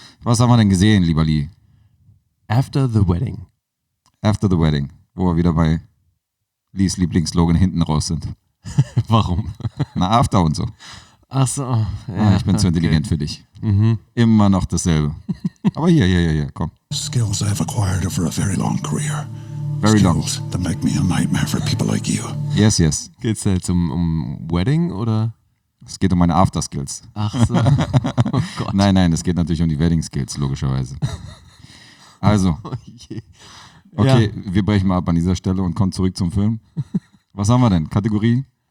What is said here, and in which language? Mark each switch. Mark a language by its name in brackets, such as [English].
[German] Was haben wir denn gesehen, lieber Lee? [English] After the Wedding. After the Wedding. [German] Wo wir wieder bei Lees Lieblingsslogan hinten raus sind. Warum? Na, After und so. Ach so. Ja, ah, ich bin zu intelligent für dich. Mhm. Immer noch dasselbe. Aber hier, hier, komm. [English] Skills I've acquired over a very long career. Very long. Skills that make me a nightmare for people like you. Yes, yes. [German] Geht's jetzt um Wedding oder? Es geht um meine After-Skills. Ach so. Oh Gott. Nein, nein, es geht natürlich um die Wedding-Skills, logischerweise. Also. Okay, ja. Wir brechen mal ab an dieser Stelle und kommen zurück zum Film. Was haben wir denn? Kategorie?